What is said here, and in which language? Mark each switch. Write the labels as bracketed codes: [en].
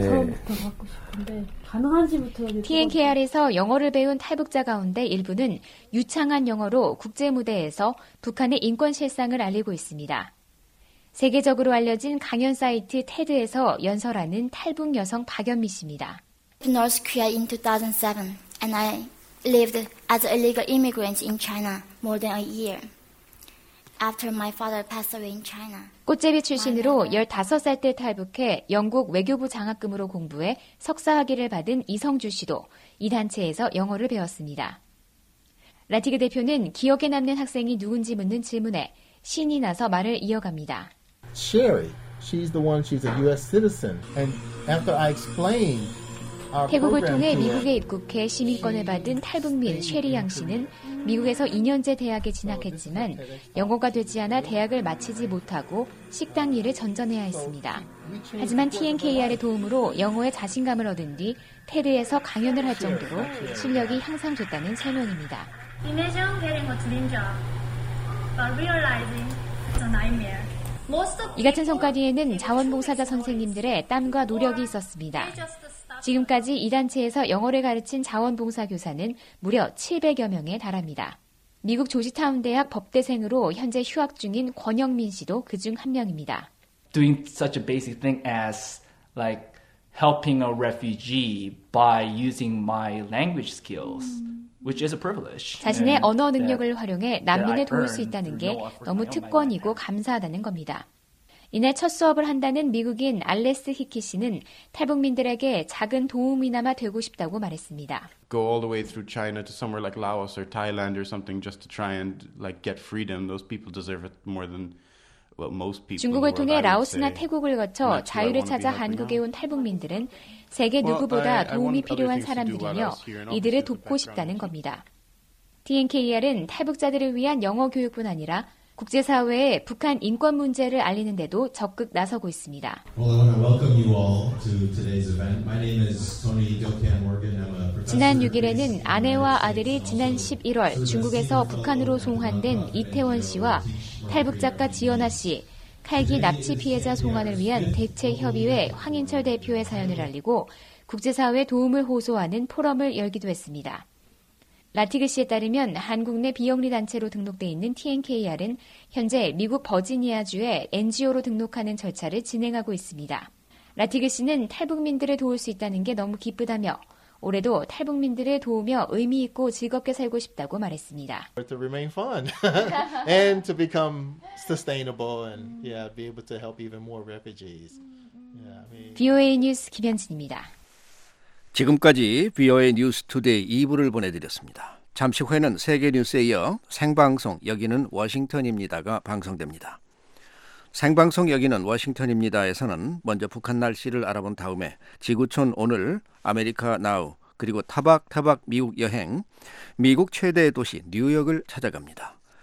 [ko] 처음부터 받고 싶은데 가능한지부터 TNKR에서 영어를 배운 탈북자 가운데 일부는 유창한 영어로 국제무대에서 북한의 인권 실상을 알리고 있습니다. 세계적으로 알려진 강연 사이트 TED에서 연설하는 탈북 여성 박연미 씨입니다. [en] North Korea in 2007 and I lived as an illegal immigrant in China more than a year. After my father passed away in China. [ko] 꽃제비 출신으로 15살 때 탈북해 영국 외교부 장학금으로 공부해 석사학위를 받은 이성주 씨도 이 단체에서 영어를 배웠습니다. 라티그 대표는 기억에 남는 학생이 누군지 묻는 질문에 신이 나서 말을 이어갑니다. [en] Sherry, she's the one, she's a US citizen. And after I explain [ko] 태국을 통해 미국에 입국해 시민권을 받은 탈북민 쉐리 양 씨는 미국에서 2년제 대학에 진학했지만 영어가 되지 않아 대학을 마치지 못하고 식당 일을 전전해야 했습니다. 하지만 TNKR의 도움으로 영어에 자신감을 얻은 뒤 테드에서 강연을 할 정도로 실력이 향상됐다는 설명입니다. [en] Imagine getting a dream job, but realizing it's a nightmare. [ko] 이 같은 성과뒤에는 자원봉사자 선생님들의 땀과 노력이 있었습니다. 지금까지 이 단체에서 영어를 가르친 자원봉사 교사는 무려 700여 명에 달합니다. 미국 조지타운 대학 법대생으로 현재 휴학 중인 권영민 씨도 그중 한 명입니다. [en] Doing such a basic thing as like helping a refugee by using my language skills, which is a privilege. [ko] 자신의 언어 능력을 활용해 난민을 도울 수 있다는 게 너무 특권이고 감사하다는 겁니다. 이날 첫 수업을 한다는 미국인 알레스 히키 씨는 탈북민들에게 작은 도움이나마 되고 싶다고 말했습니다. [en] Go all the way through China to somewhere like Laos or Thailand or something just to try and like get freedom. Those people deserve it more than well, most people. [ko] 중국을 통해 라오스나 태국을 거쳐 자유를 찾아 한국에 온 탈북민들은 세계 누구보다 도움이 필요한 사람들이며 이들을 돕고 싶다는 겁니다. TNKR은 탈북자들을 위한 영어 교육뿐 아니라 국제사회에 북한 인권 문제를 알리는 데도 적극 나서고 있습니다. [en] Well, to [ko] 지난 6일에는 아내와 아들이 지난 11월 중국에서 북한으로 송환된 이태원 씨와 탈북작가 지연아 씨, 칼기 납치 피해자 송환을 위한 대책협의회 황인철 대표의 사연을 알리고 국제사회 도움을 호소하는 포럼을 열기도 했습니다. 라티그 씨에 따르면 한국 내 비영리 단체로 등록돼 있는 TNKR은 현재 미국 버지니아주에 NGO로 등록하는 절차를 진행하고 있습니다. 라티그 씨는 탈북민들을 도울 수 있다는 게 너무 기쁘다며 올해도 탈북민들을 도우며 의미 있고 즐겁게 살고 싶다고 말했습니다. [en] To remain fun and to become sustainable and yeah, be able to help even more refugees. [ko] VOA 뉴스 김현진입니다. 지금까지 VOA 뉴스 투데이 2부를 보내드렸습니다. 잠시 후에는 세계 뉴스에 이어 생방송 여기는 워싱턴입니다가 방송됩니다. 생방송 여기는 워싱턴입니다에서는 먼저 북한 날씨를 알아본 다음에 지구촌 오늘 아메리카 나우 그리고 타박타박 미국 여행 미국 최대의 도시 뉴욕을 찾아갑니다.